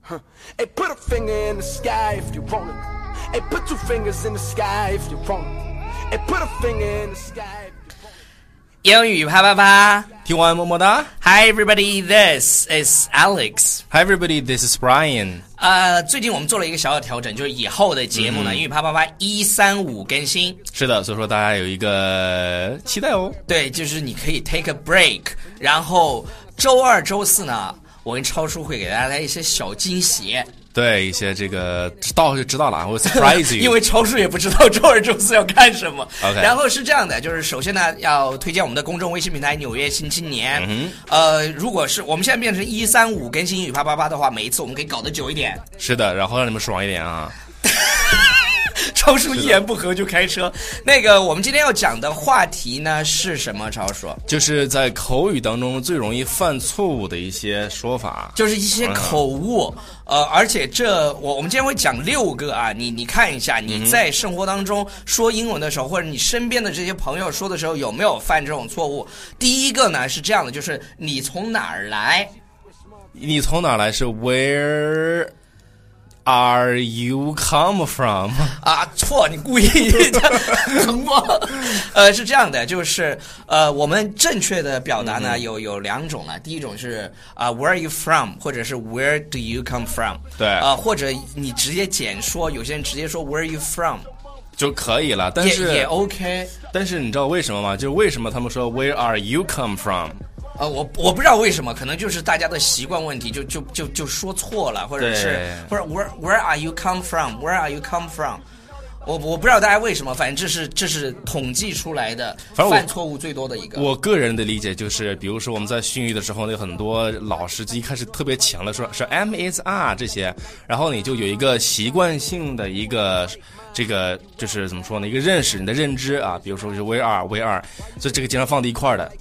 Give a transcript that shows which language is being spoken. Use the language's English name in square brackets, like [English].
[English] Hey, put a finger in the sky if you want it. Hey, put two fingers in the sky if you want it. Hey, put a finger in the sky if you want it. [Chinese] 英语啪啪啪，听完么么哒。 [English] Hi everybody, this is Alex. Hi everybody, this is Brian. [Chinese] 最近我们做了一个小小调整，就是以后的节目呢，英语啪啪啪一三五更新。是的，所以说大家有一个期待哦。对，就是你可以 [English] take a break， [Chinese] 然后周二、周四呢。我跟超叔会给大家来一些小惊喜，对，一些这个到就知道了，我 [English] surprise you， [Chinese] 因为超叔也不知道周二周四要干什么。 [English] OK， [Chinese] 然后是这样的，就是首先呢，要推荐我们的公众微信平台《纽约新青年》。嗯，如果是我们现在变成一三五更新英语啪啪啪的话，每一次我们可以搞得久一点。是的，然后让你们爽一点啊。超叔一言不合就开车。那个我们今天要讲的话题呢是什么，超叔？就是在口语当中最容易犯错误的一些说法，就是一些口误。而且这我们今天会讲六个啊，你看一下你在生活当中说英文的时候，或者你身边的这些朋友说的时候，有没有犯这种错误。第一个呢是这样的，就是你从哪儿来，你从哪儿来是 [English] whereAre you come from？ [Chinese] 啊，错，你故意这样吗？是这样的，就是我们正确的表达呢有两种了。第一种是 [English] where are you from， [Chinese] 或者是 [English] where do you come from？ [Chinese] 对，或者你直接简说，有些人直接说 [English] where are you from [Chinese] 就可以了。但是也 OK。但是你知道为什么吗？就为什么他们说 [English] where are you come from？ [Chinese] 我不知道为什么，可能就是大家的习惯问题，就说错了，或者是不是 [English] where are you come from， where are you come from， [Chinese] 我不知道大家为什么，反正这是统计出来的犯错误最多的一个。我个人的理解就是，比如说我们在训育的时候，那很多老师一开始特别强的说 MSR 这些，然后你就有一个习惯性的一个这个就是怎么说呢，一个认识，你的认知啊，比如说是 [English] where are， where are， [Chinese] 所以这个经常放在一块的。